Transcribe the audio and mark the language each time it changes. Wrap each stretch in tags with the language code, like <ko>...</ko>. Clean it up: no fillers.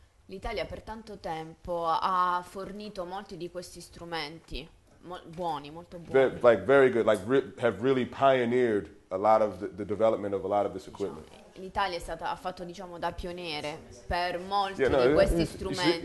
<it>L'Italia per tanto tempo ha fornito molti di questi strumenti buoni, molto buoni.</it> <en>Have really pioneered a lot of the development of a lot of this equipment.</en> <it>L'Italia ha fatto diciamo da pioniere per molti di questi strumenti.</it>